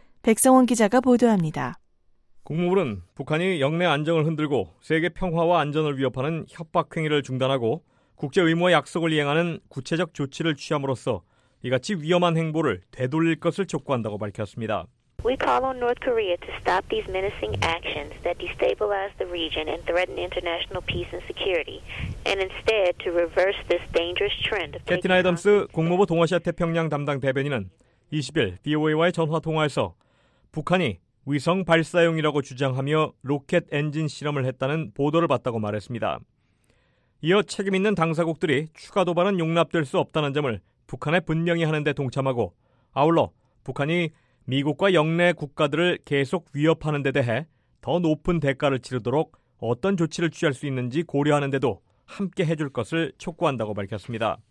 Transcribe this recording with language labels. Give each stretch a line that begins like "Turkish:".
Korean: 백성원 기자가 보도합니다. 국무부는 북한이 역내 안정을 흔들고 세계 평화와 안전을 위협하는 협박 행위를 중단하고 국제 의무와 약속을 이행하는 구체적 조치를 취함으로써 이같이 위험한 행보를 되돌릴 것을 촉구한다고 밝혔습니다.
English: We call on North Korea to stop these menacing actions that destabilize the region and threaten international peace and security, and instead to reverse this dangerous trend.
Korean: 캐티 나이덤스 국무부 동아시아 태평양 담당 대변인은 20일 VOA와의 전화 통화에서 북한이 위성 발사용이라고 주장하며 로켓 엔진 실험을 했다는 보도를 봤다고 말했습니다. 이어 책임 있는 당사국들이 추가 도발은 용납될 수 없다는 점을 북한에 분명히 하는 데 동참하고 아울러 북한이 미국과 영내 국가들을 계속 위협하는 데 대해 더 높은 대가를 치르도록 어떤 조치를 취할 수 있는지 고려하는 데도 함께 해줄 것을 촉구한다고 밝혔습니다.